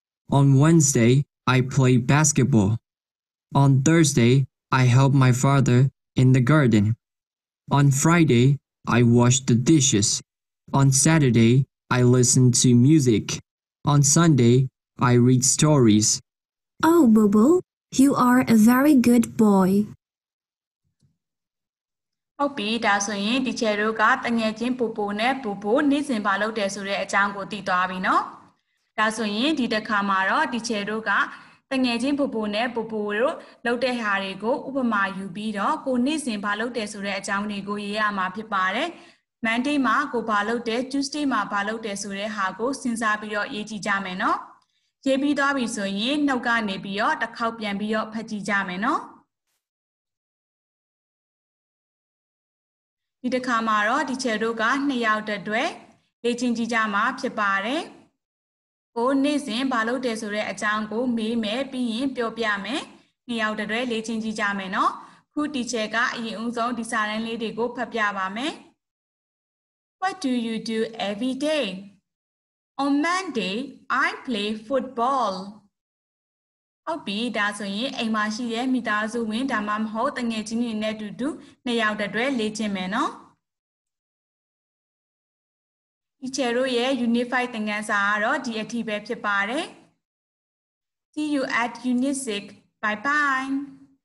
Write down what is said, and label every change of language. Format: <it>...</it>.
<en>On Wednesday, I play basketball. On Thursday, I help my father in the garden. On Friday, I wash the dishes. On Saturday, I listen to music. On Sunday, I read stories. Oh, Bobo, you are a very good boy.</en> <my>ဟုတ်ပြီ ဒါဆိုရင် teacher တို့ကတငယ်ချင်းပူပူနဲ့ပူပူနေ့စဉ်ဘာလုပ်တယ်ဆိုတဲ့အကြောင်းကိုသိသွားပြီနော်။ဒါဆိုရင်ဒီတစ်ခါမှာတော့ teacher တို့ကတငယ်ချင်းပူပူနဲ့ပူပူတို့လုပ်တဲ့ဟာတွေကိုဥပမာယူပြီးတော့ကိုနေ့စဉ်ဘာလုပ်တယ်ဆိုတဲ့အကြောင်းတွေကိုရေးရမှာဖြစ်ပါတယ်။ Monday မှာကိုဘာလုပ်တယ် Tuesday မှာဘာလုပ်တယ်ဆိုတဲ့ဟာကိုစဉ်းစားပြီးတော့ရေးကြည့်ကြမယ်နော်။ရေးပြီးသွားပြီဆိုရင်နှုတ်ကနေပြီးတော့တစ်ခေါက်ပြန်ပြီးတော့ဖတ်ကြည့်ကြမယ်နော်။ ဒီတစ်ခါမှာတော့ teacher တို့က2ယောက်တည်းလေ့ကျင့်ကြည့်ကြမှာဖြစ်ပါတယ်။ကိုနေ့စဉ်ဘာလုပ်တယ်ဆိုတဲ့အကြောင်းကိုမေးမယ်ပြီးရင်ပြောပြမယ်။နှစ်ယောက်တည်းလေ့ကျင့်ကြည့်ကြမယ်နော်။ခု teacher ကအရင်အဆုံးဒီစာရင်းလေးတွေကိုဖတ်ပြပါမယ်။</my> <en>What do you do every day? On Monday, I play football.</en> <my>ဟုတ်ပြီ ဒါဆိုရင်အိမ်မှာရှိတဲ့မိသားစုဝင်ဒါမှမဟုတ်တငယ်ချင်းတွေနဲ့အတူတူနှစ်ယောက်တည်းလေ့ကျင့်မယ်နော်။teacher ရဲ့ unified သင်ခန်းစာကတော့ဒီအထိပဲဖြစ်ပါတယ်</my> <en>see you at unit 6 bye bye</en>